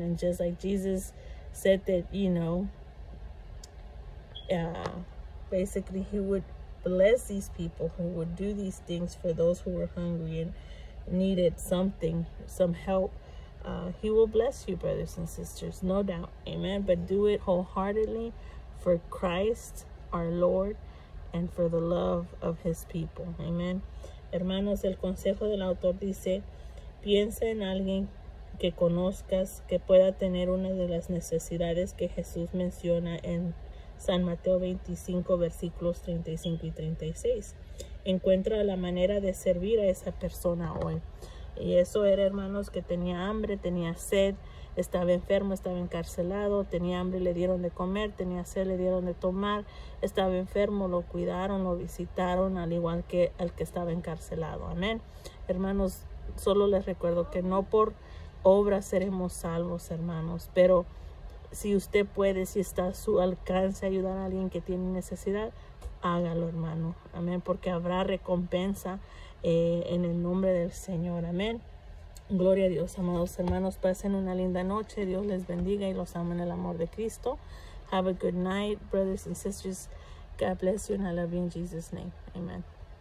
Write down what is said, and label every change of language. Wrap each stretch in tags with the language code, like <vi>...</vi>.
<en>And just like Jesus said that, you know, basically he would bless these people who would do these things for those who were hungry and needed something, some help. He will bless you, brothers and sisters, no doubt. Amen. But do it wholeheartedly for Christ, our Lord, and for the love of his people. Amen.</en> <es>Hermanos, el consejo del autor dice, piensa en alguien que conozcas que pueda tener una de las necesidades que Jesús menciona en San Mateo 25, versículos 35 y 36. Encuentra la manera de servir a esa persona hoy. Y eso era, hermanos, que tenía hambre, tenía sed, estaba enfermo, estaba encarcelado, tenía hambre, le dieron de comer, tenía sed, le dieron de tomar, estaba enfermo, lo cuidaron, lo visitaron, al igual que al que estaba encarcelado. Amén. Hermanos, solo les recuerdo que no por obras seremos salvos, hermanos, pero si usted puede, si está a su alcance ayudar a alguien que tiene necesidad, hágalo, hermano. Amén. Porque habrá recompensa en el nombre del Señor. Amén. Gloria a Dios, amados hermanos. Pasen una linda noche. Dios les bendiga y los amo en el amor de Cristo.</es> <en>Have a good night, brothers and sisters. God bless you and I love you in Jesus' name. Amén.</en>